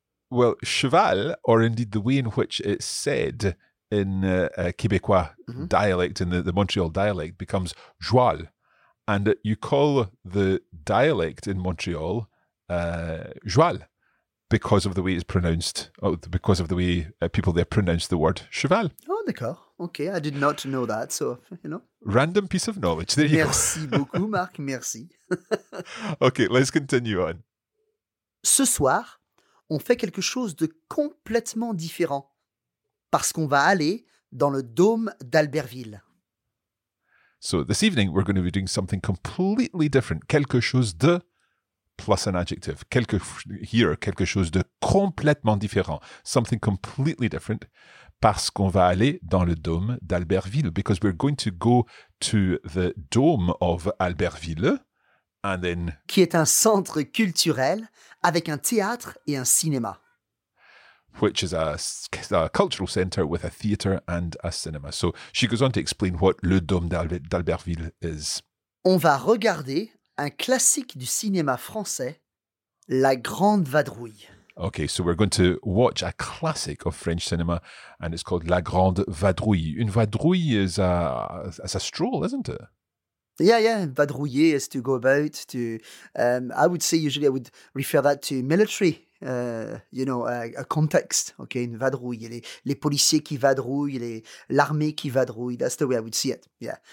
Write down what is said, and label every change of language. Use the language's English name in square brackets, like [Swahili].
[English] Well, cheval, or indeed the way in which it's said in Quebecois dialect, in the Montreal dialect, becomes joual. And you call the dialect in Montreal joual because of the way it's pronounced, because of the way people there pronounce the word cheval. [French] Oh, d'accord. [English] Okay, I did not know that, so, you know. Random piece of knowledge, there you [French] merci [English] go. [French] Merci beaucoup, Marc, merci. [English] Okay, let's continue on. [French] Ce soir, on fait quelque chose de complètement différent, parce qu'on va aller dans le dôme d'Albertville. [English] So, this evening, we're going to be doing something completely different. [French] Quelque chose de, [English] plus an adjective. [French] Quelque chose de complètement différent. [English] Something completely different. [French] Parce qu'on va aller dans le dôme d'Albertville. [English] Because we're going to go to the dome of Albertville. And then... [French] Qui est un centre culturel avec un théâtre et un cinéma. [English] Which is a cultural centre with a theatre and a cinema. So she goes on to explain what le dôme d'Albertville is. [French] On va regarder un classique du cinéma français, La Grande Vadrouille. [English] Okay, so we're going to watch a classic of French cinema, and it's called La Grande Vadrouille. Une vadrouille is a stroll, isn't it? Yeah, vadrouiller is to go about, to, I would refer that to military, a context, okay, [French] une vadrouille, les policiers qui vadrouillent, l'armée qui vadrouille, [English] that's the way I would see it, yeah.